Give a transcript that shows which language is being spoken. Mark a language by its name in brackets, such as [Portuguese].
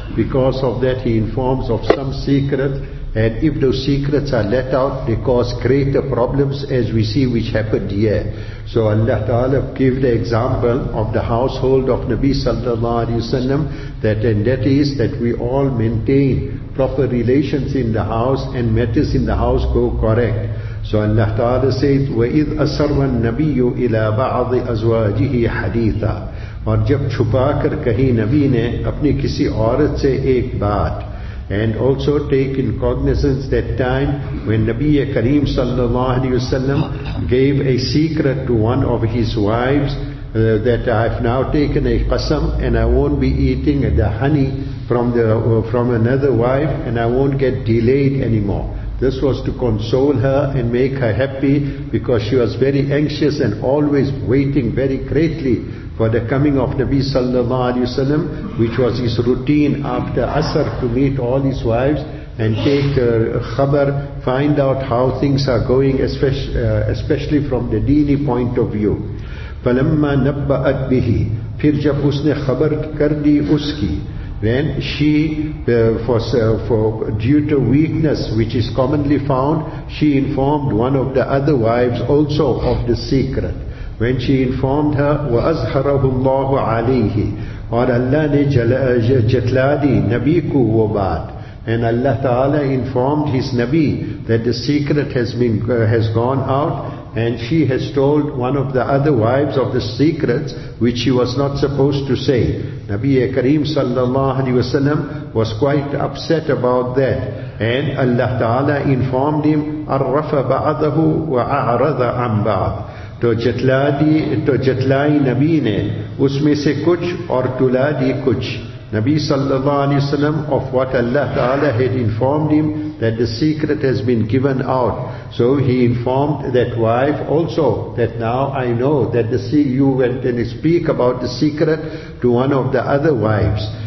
[English] Because of that, he informs of some secret, and if those secrets are let out, they cause greater problems, as we see which happened here. So Allah Ta'ala gave the example of the household of Nabi sallallahu alayhi wa sallam, that we all maintain proper relations in the house and matters in the house go correct. So Allah Ta'ala says, [Arabic] وَإِذْ أَسَرَّ النَّبِيُّ إِلَىٰ بَعْضِ أَزْوَاجِهِ حَدِيثًا. [Urdu] اور جب چھپا کر کہیں نبی نے اپنی کسی عورت سے ایک بات. [English] And also take in cognizance that time when Nabi Kareem sallallahu alayhi wa sallam gave a secret to one of his wives, that I've now taken a qasam and I won't be eating the honey from another wife, and I won't get delayed anymore. This was to console her and make her happy, because she was very anxious and always waiting very greatly for the coming of Nabi sallallahu alayhi wa sallam, which was his routine after Asr to meet all his wives and take her khabar, find out how things are going, especially from the deeni point of view. [Arabic] فَلَمَّا نَبَّأَتْ بِهِ. [Urdu] پھر جب اس نے خبر کر دی اس کی. [English] Then she, due to weakness which is commonly found, she informed one of the other wives also of the secret. When she informed her, [Arabic] وَأَزْحَرَهُ اللَّهُ عَلَيْهِ. [Urdu] اور اللہ نے جتلا دی نبی کو وہ بات. [English] And Allah Ta'ala informed his Nabi that the secret has gone out, and she has told one of the other wives of the secrets which she was not supposed to say. Nabi Kareem sallallahu alayhi wa sallam was quite upset about that, and Allah Ta'ala informed him, [Arabic] عَرَّفَ بَعَضَهُ وَأَعْرَضَ عَنْ بَعْضٍ. [Urdu] تو جتلائی نبی نے اس میں سے کچھ اور تلا دی کچھ. [English] Nabi sallallahu alayhi wa sallam, of what Allah Ta'ala had informed him, that the secret has been given out. So he informed that wife also, that now I know that you went and speak about the secret to one of the other wives.